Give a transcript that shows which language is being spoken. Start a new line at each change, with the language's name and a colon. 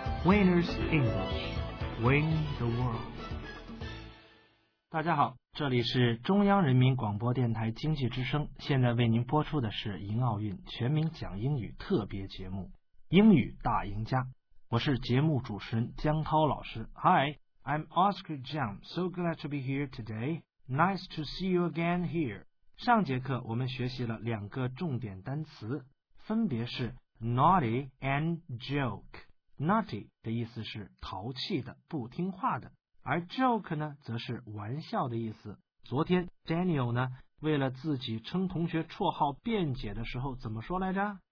English: Winners English Win the World。
Chinese: 大家好，这里是中央人民广播电台经济之声，现在为您播出的是迎奥运全民讲英语特别节目英语大赢家，我是节目主持人江涛老师。
English: Hi, I'm Oscar Jiang, so glad to be here today. Nice to see you again here.
Chinese: 上节课我们学习了两个重点单词，分别是 naughty and joke。 naughty 的意思是淘气的、不听话的，而 joke 呢则是玩笑的意思。昨天 Daniel 呢为了自己称同学绰号辩解的时候怎么说来着？